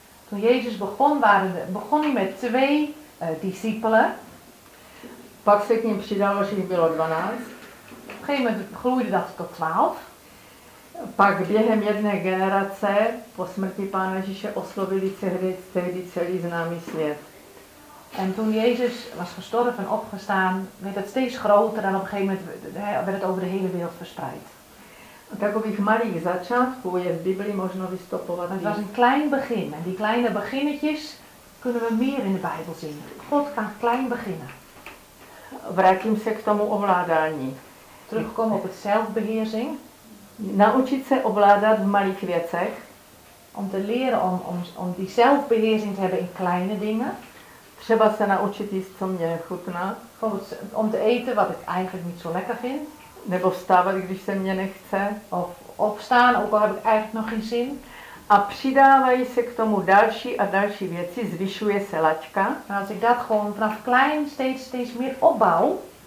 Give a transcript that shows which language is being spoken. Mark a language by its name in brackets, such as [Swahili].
[Dutch] Toen Jezus begon, begon hij met twee discipelen. [Czech] Pak se k ním přidalo, že jich bylo 12. [Dutch] Op een gegeven moment groeide dat tot 12. [Czech] Pak během jedné generace po smrti Pána Ježíše oslovili tehdy celý známý svět. [Dutch] En toen Jezus was gestorven en opgestaan, werd het steeds groter en op een gegeven moment werd het over de hele wereld verspreid. [Czech] Takových malých začátků je v Biblii možno vystopovat. [Dutch] Het was een klein begin. En die kleine beginnetjes kunnen we meer in de Bijbel zien. God kan klein beginnen. [Czech] Vrátím se k tomu ovládání. [Dutch] Terugkomen op het zelfbeheersing. [Czech] Naučit se ovládat v malých věcech. [Dutch] Om te leren om die zelfbeheersing te hebben in kleine dingen. [Czech] Třeba se naučit jíst, co mě chutná. [Dutch] Om te eten wat ik eigenlijk niet zo lekker vind. [Czech] Nebo vstávat, když se mě nechce. [Dutch] Of opstaan, ook al heb ik eigenlijk nog geen zin. [Czech] A přidávají se k tomu další a další věci, zvyšuje se laťka. [Dutch] A als ik dat gewoon vanaf klein steeds meer opbouw.